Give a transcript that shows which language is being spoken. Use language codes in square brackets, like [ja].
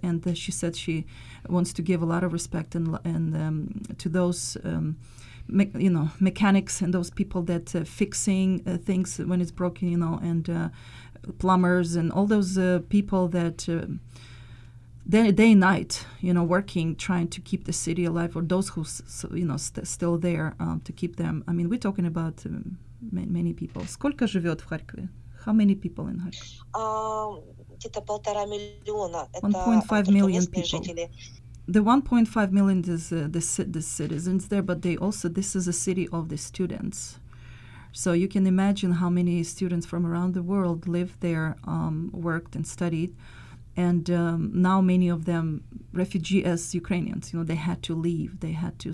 [en] And she said she wants to give a lot of respect and to those, you know, mechanics and those people that fixing things when it's broken, you know, and plumbers and all those people that day and night, you know, working, trying to keep the city alive, or those who, you know, still there to keep them. I mean, we're talking about many people. [ru] Сколько живет в Харькове? [en] How many people in Kharkiv? [ru] Где-то полтора миллиона. [en] 1.5 million people. The 1.5 million is the citizens there, but they also, this is a city of the students. So you can imagine how many students from around the world lived there, worked and studied. And now many of them refugee as Ukrainians, you know, they had to leave, they had to.